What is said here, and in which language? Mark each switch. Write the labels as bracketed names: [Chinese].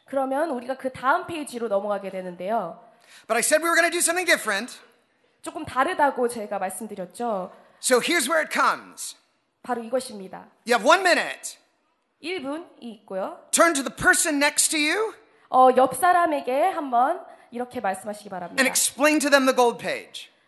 [Korean] 그러면 우리가 그 다음 페이지로 넘어가게 되는데요. [English] But I said we were going to do something different. [Korean] 조금 다르다고 제가 말씀드렸죠. [English] So here's where it comes. [Korean] 바로 이것입니다. [English] You have 1 minute. [Korean] 1분이 있고요. [English] Turn to the person next to you. [Korean] 옆 사람에게 한번 이렇게 말씀하시기 바랍니다. [English] And explain to them the gold page.